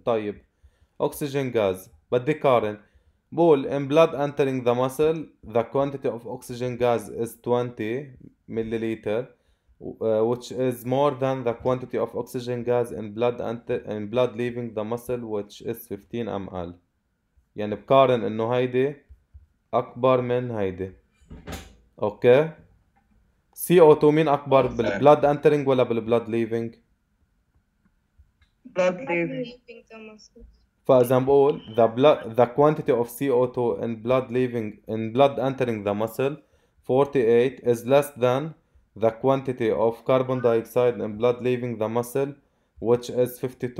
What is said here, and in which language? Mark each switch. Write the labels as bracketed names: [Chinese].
[English] طيب oxygen gas [Arabic] بدي قارن، بقول [English] in blood entering the muscle the quantity of oxygen gas is 20 milliliter which is more than the quantity of oxygen gas in blood leaving the muscle which is 15 mL. [Arabic] يعني بقارن انه هيدي اكبر من هيدي. اوكي CO2 مين اكبر، بالبلاد [English] entering [Arabic] ولا بالبلاد [English] Leaving? blood leaving [Arabic] فاذا بقول [English] the blood the quantity of CO2 in blood leaving in blood entering the muscle 48 is less than the quantity of carbon dioxide in blood leaving the muscle which is 52.